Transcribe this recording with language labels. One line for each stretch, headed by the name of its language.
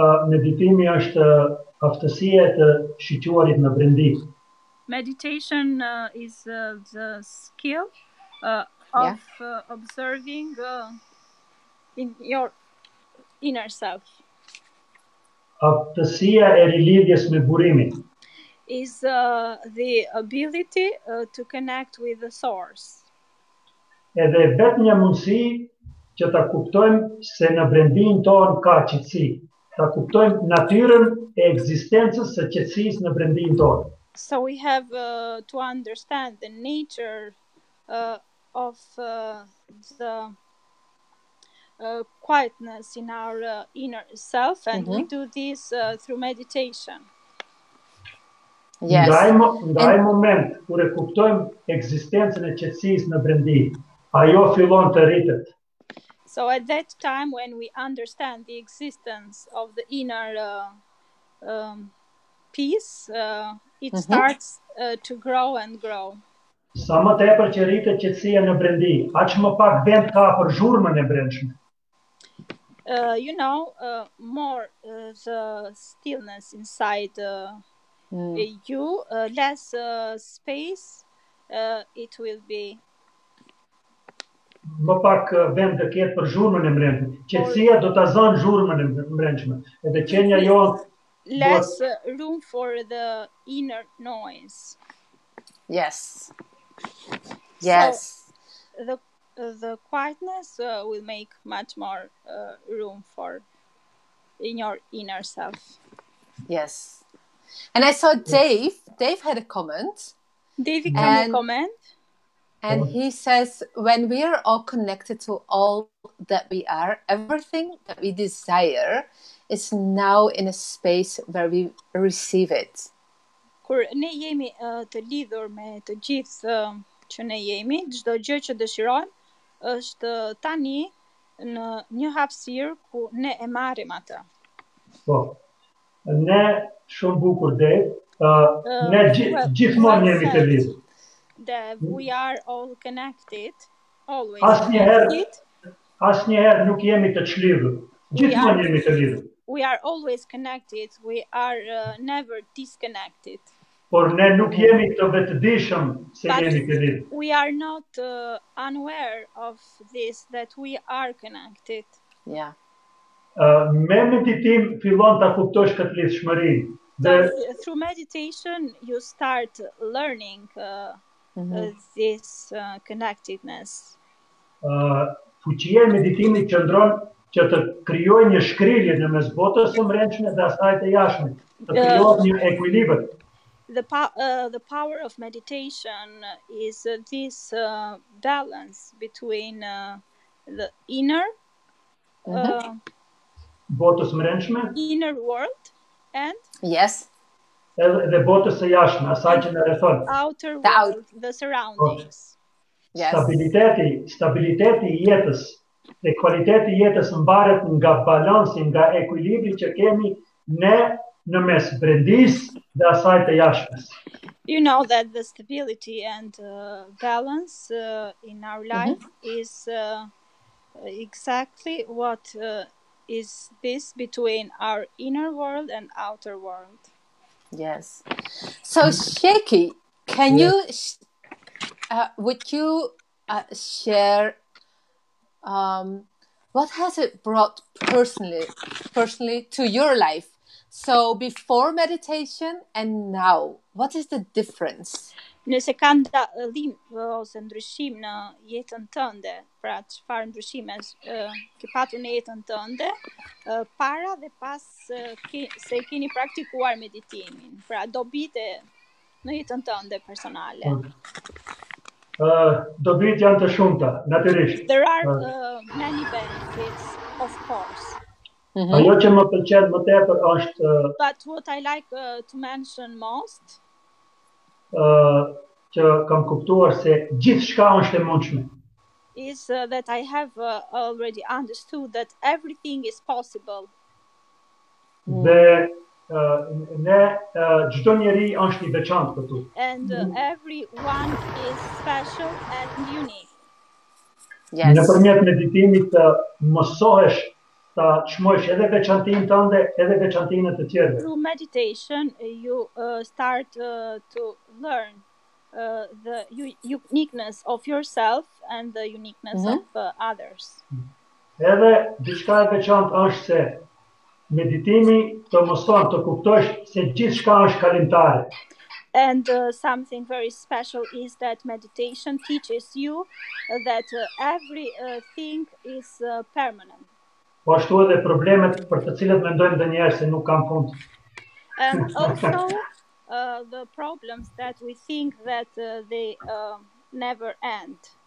Albanian: Meditimi është aftësia të shqyrtuarit në brendi.
English: Meditation is the skill of observing in your inner self.
Albanian: Aptësia e rilidhjes me burimin.
English: Is the ability to connect with the source.
Albanian: Edhe vetëm një mundësi që ta kuptojmë se në brendin tonë ka qetësi. Ta kuptojmë natyrën e ekzistencës së qetësisë në brendin tonë.
English: So we have to understand the nature of the quietness in our inner self, and mm-hmm. we do this through meditation. Yes.
Albanian: Ndaj moment kur e kuptojmë ekzistencën e qetësisë në brendi, ajo fillon të rritet.
English: So at that time when we understand the existence of the inner peace, it mm-hmm. starts to grow and grow.
Albanian: Sa më tepër që rritet qetësia në brendi, aq më pak vend ka për zhurmën e brendshme.
English: You know, more the stillness inside you, less space it will be.
Albanian: Më pak vend të ketë për zhurmën e mbrendshme. Qetësia do ta zënë zhurmën e mbrendshme. Edhe qenia jote
English: less room for the inner noise. Yes. Yes. So the quietness will make much more room for in your inner self. Yes. And I saw Dave. Dave had a comment. Dave, can you comment? And he says, when we are all connected to all that we are, everything that we desire is now in a space where we receive it.
Albanian: Kur ne jemi të lidhur me të gjithë që ne jemi, çdo gjë që dëshirojmë është tani në një hapësirë ku ne e marrim atë. Po. Ne shumë bukur dhe ne gjithmonë jemi të lidhur.
English: That we are all connected, always.
Albanian: Asnjëherë nuk jemi të çlirur. Gjithmonë jemi të lidhur.
English: We are always connected. We are never disconnected.
Albanian: Por ne nuk jemi të vetëdijshëm se
English: but
Albanian: jemi të lidhur.
English: We are not unaware of this that we are connected. Yeah.
Albanian: Me meditim fillon ta kuptosh këtë lidhshmëri.
English: Through meditation you start learning this connectedness.
Albanian: Fuqia e meditimit qëndron që të krijojë një shkrilje në mes botës së mbrendshme dhe asaj të jashtme, të krijojë një ekuilibër.
English: The power of meditation is this balance between the inner
Albanian: botës së mbrendshme,
English: inner world, and yes.
Albanian: Edhe botës së jashtme, asaj që na rrethon.
English: Outer world, the surroundings. Yes.
Albanian: Stabiliteti i jetës dhe kualiteti i jetës mbaret nga balansi, nga ekuilibri që kemi ne në mes brendis dhe asaj të jashtmes.
English: You know that the stability and balance in our life mm-hmm. is exactly what is this between our inner world and outer world. Yes. So, Sheki, can you, would you share what has it brought personally to your life? So, before meditation and now, what is the difference?
Albanian: Nëse ka ndalimë ose ndryshim në jetën tënde, pra çfarë ndryshime ke patur në jetën tënde para dhe pas se keni praktikuar meditimin, pra dobitë në jetën tënde personale. Dobit janë të shumta, natyrisht.
English: There are many benefits, of course. Mm-hmm.
Albanian: Ajo që më pëlqen më tepër është
English: but what I like to mention most
Albanian: që kam kuptuar se gjithçka është e mundshme.
English: Is that I have already understood that everything is possible.
Albanian: Dhe ne çdo njeri është i veçantë këtu.
English: And everyone is special and unique. Yes.
Albanian: Nëpërmjet meditimit mësohesh ta çmosh edhe veçantinë tënde edhe veçantinë të tjerëve.
English: Through meditation you start to learn the uniqueness of yourself and the uniqueness of others.
Albanian: Edhe diçka e veçantë është se meditimi të mëson të kuptosh se gjithçka është kalimtare.
English: And something very special is that meditation teaches you that everything is permanent.
Albanian: Po ashtu edhe problemet për të cilët mendojmë ndonjëherë se nuk kanë fund.
English: And also the problems that we think that they never end.